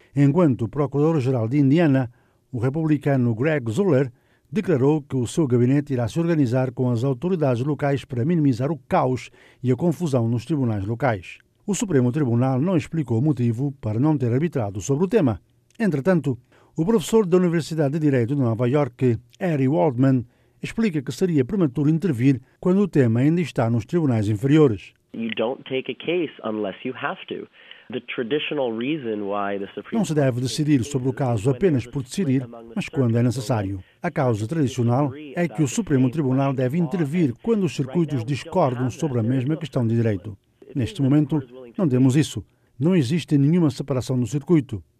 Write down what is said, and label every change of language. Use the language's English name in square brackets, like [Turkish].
[Portuguese] Enquanto o procurador-geral de Indiana, o republicano Greg Zoeller, declarou que o seu gabinete irá se organizar com as autoridades locais para minimizar o caos e a confusão nos tribunais locais. O Supremo Tribunal não explicou o motivo para não ter arbitrado sobre o tema. Entretanto, o professor da Universidade de Direito de Nova York, Harry Waldman, explica que seria prematuro intervir quando o tema ainda está nos tribunais inferiores. [English] You don't take a case unless you have to. [Portuguese] Não se deve decidir sobre o caso apenas por decidir, mas quando é necessário. A causa tradicional é que o Supremo Tribunal deve intervir quando os circuitos discordam sobre a mesma questão de direito. Neste momento, não temos isso. Não existe nenhuma separação no circuito.